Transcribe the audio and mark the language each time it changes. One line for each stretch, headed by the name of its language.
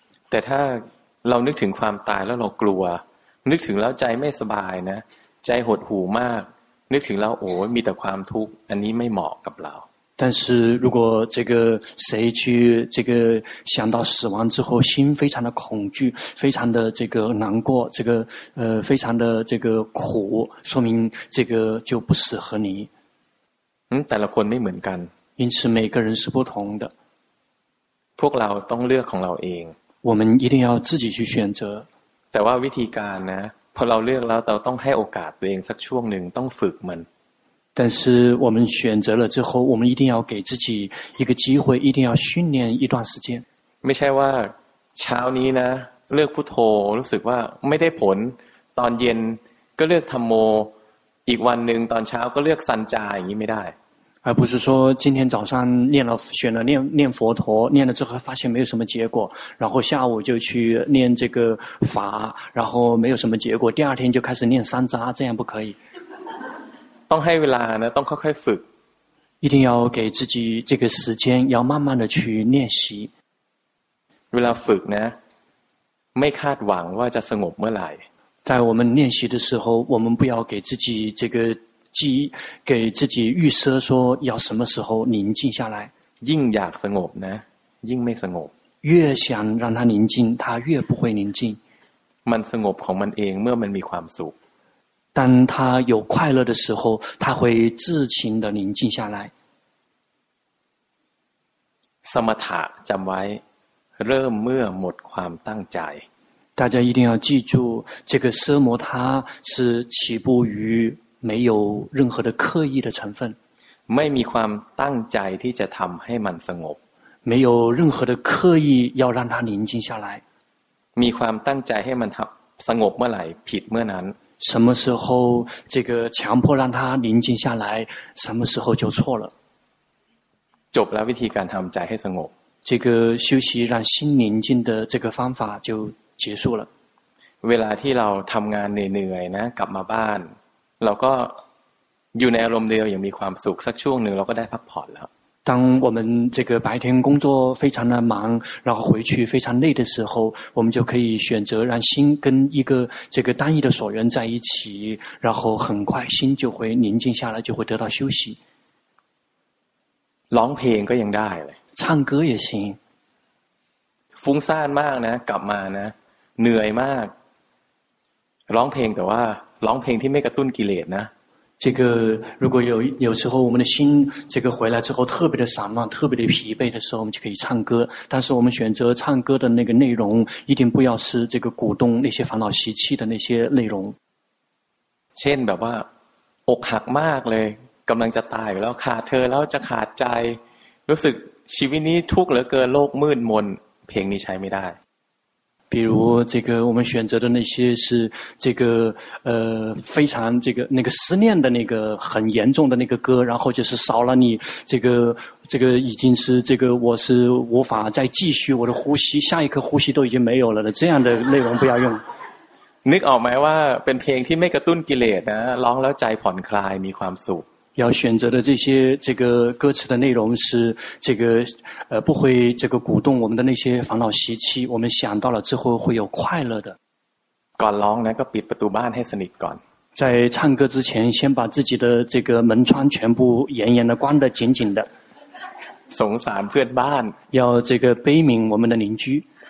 Thai: แต่ถ้าเรานึกถึงความตายแล้วเรากลัวนึกถึงแล้วใจไม่สบายนะใจหดหู่มากนึกถึงแล้วโอ้มีแต่ความทุกข์อันนี้ไม่เหมาะกับเรา
Chinese: 但是如果这个谁去这个想到死亡之后心非常的恐惧非常的这个难过这个非常的这个苦说明这个就不适合你
Thai: แต่ละคนไม่เหมือนกัน
Chinese: 因此每个人是不同的
Thai: พวกเราต้องเลือกของเราเอง
Chinese: 我们一定要自己去选择
Thai: แต่ว่าวิธีการนะพอเราเลือกแล้วเราต้องให้โอกาสตัวเองสักช่วงหนึ่งต้องฝึกมัน แต่
Chinese: 是我们选择了之后我们一定要给自己一个机会一定要训练一段时间
Thai: ไม่ใช่ว่าเช้านี้นะเลือกพุทโธรู้สึกว่าไม่ได้ผลตอนเย็นก็เลือกธัมโมอีกวันหนึ่งตอนเช้าก็เลือกสัญจาอย่างนี้ไม่ได้
Chinese: 而不是说今天早上念了选了念念佛陀念了之后发现没有什么结果然后下午就去念这个法然后没有什么结果第二天就开始念三匝这样不可以
Thai: ต้องให้เวลานะต้องค่อยๆฝึก
Chinese: 一定要给自己这个时间要慢慢的去练习
Thai: เวลาฝึกนะไม่คาดหวังว่าจะสงบเมื่อไหร่
Chinese: 在我们练习的时候我们不要给自己这个给自己预设说要什么时候宁静下来
Thai: ยิ่งอยากสงบนะยิ่งไม่สงบ
Chinese: 越想让它宁静它越不会宁静
Thai: มันสงบของมันเองเมื่อมันมีความสุข
Chinese: 当它有快乐的时候它会自行的宁静下来
Thai: สมถะจำไว้เริ่มเมื่อหมดความตั้งใจ
Chinese: 大家一定要记住这个奢摩它是起步于没有任何的刻意的成分
Thai: ไม่มีความตั้งใจที่จะทำให้มันสงบ
Chinese: 没有任何的刻意要让它宁静下来
Thai: มีความตั้งใจให้มันสงบเมื่อไหร่ผิดเมื่อนั้น
Chinese: 什么时候这个强迫让它宁静下来什么时候就错了
Thai: จบแล้ววิธีการทำใจให้สงบ
Chinese: 这个休息让心宁静的这个方法就结束了
Thai: เวลาที่เราทำงานเหนื่อยๆนะกลับมาบ้านเราก็อยู่ในอารมณ์เดียวยังมีความสุขสักช่วงหนึ่งเราก็ได้พักผ่อนแล้ว
Chinese: 当我们这个白天工作非常的忙然后回去非常累的时候我们就可以选择让心跟一个这个单一的所缘在一起然后很快心就会宁静下来就会得到休息
Thai: ร้องเพลงก็ยังได้เลย
Chinese: 唱歌也行
Thai: ฟุ้งซ่านมากนะกลับมานะเหนื่อยมากร้องเพลงแต่ว่าร้องเพลงที่ไม่กระตุ้นกิเลสนะ
Chinese: 这个如果有时候我们的心这个回来之后特别的散漫特别的疲惫的时候我们就可以唱歌但是我们选择唱歌的那个内容一定不要是这个鼓动那些烦恼习气的那些内容
Thai: เช่นแบบว่าอกหักมากเลยกำลังจะตายแล้วขาดเธอแล้วจะขาดใจรู้สึกชีวิตนี้ทุกข์เหลือเกินโลกมืดมนเพลงนี้ใช้ไม่ได้
Chinese: 比如这个我们选择的那些是这个非常这个那个思念的那个很严重的那个歌然后就是少了你这个已经是这个我是无法再继续我的呼吸下一刻呼吸都已经没有了的这样的内容不要用
Thai: นึกออกไหมว่าเป็นเพลงที่ไม่กระตุ้นกิเลสนะร้องแล้วใจผ่อนคลายมีความสุข
Chinese: 要选择的这些这个歌词的内容是这个不会这个鼓动我们的那些烦恼习气我们想到了之后会有快乐的
Thai: ก่อนร้องนะก็ปิดประตูบ้านให้สนิทก่อน
Chinese: 在唱歌之前先把自己的这个门窗全部严严的关得紧紧的
Thai: สงสารเพื่อนบ้าน
Chinese: 要这个悲悯我们的邻居